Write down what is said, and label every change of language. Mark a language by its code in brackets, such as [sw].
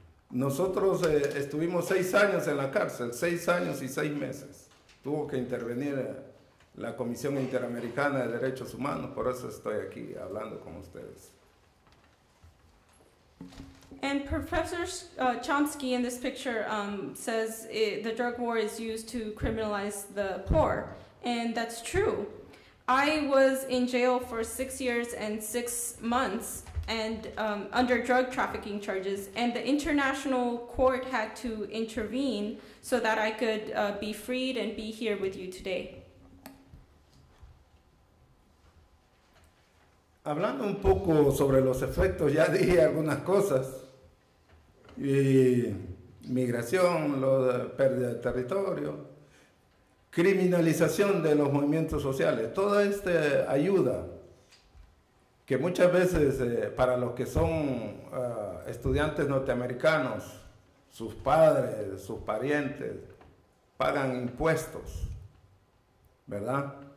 [es] Nosotros estuvimos 6 años en la cárcel, 6 años y 6 meses. Tuvo que intervenir la Comisión Interamericana de Derechos Humanos, por eso estoy aquí hablando con ustedes. [en] And Professor Chomsky in this picture says the drug war is used to criminalize the poor. And that's true. I was in jail for 6 years and 6 months and under drug trafficking charges, and the international court had to intervene so that I could be freed and be here with you today. [es] Hablando un poco sobre los efectos, ya dije algunas cosas. Y migración, la pérdida de territorio, criminalización de los movimientos sociales, toda esta ayuda que muchas veces para los que son estudiantes norteamericanos, sus padres, sus parientes, pagan impuestos, ¿verdad?